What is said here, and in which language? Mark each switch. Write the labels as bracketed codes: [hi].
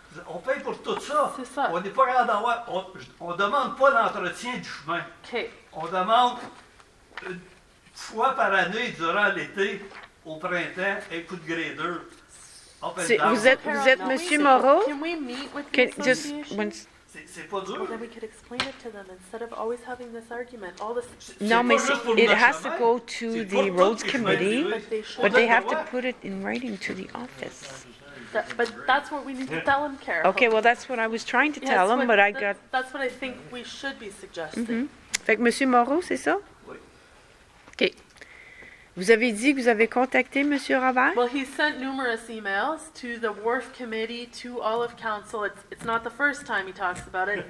[fr] On paye pour tout ça. C'est ça. On n'est pas capable d'avoir. On ne demande pas l'entretien du chemin. OK. On demande une fois par année durant l'été, au printemps, un coup de grader. Vous êtes Monsieur Moreau? [en] Can we meet with the association? [fr] C'est pas dur. [en] Well, then we could explain it to them instead of always having this argument. All this. No, mais it has to go to the roads committee, but they have to put it in writing to the office. But that's what we need to tell them, Carol. Okay, well, that's what I was trying to tell them, but I got. That's what I think we should be suggesting. Mm-hmm. [fr] Fait que Monsieur Moreau, c'est ça? Oui. OK. Vous avez dit que vous avez contacté Monsieur Robert? [en] Well, he sent numerous emails to the Wharf Committee, to all of council. It's not the first time he talks about it.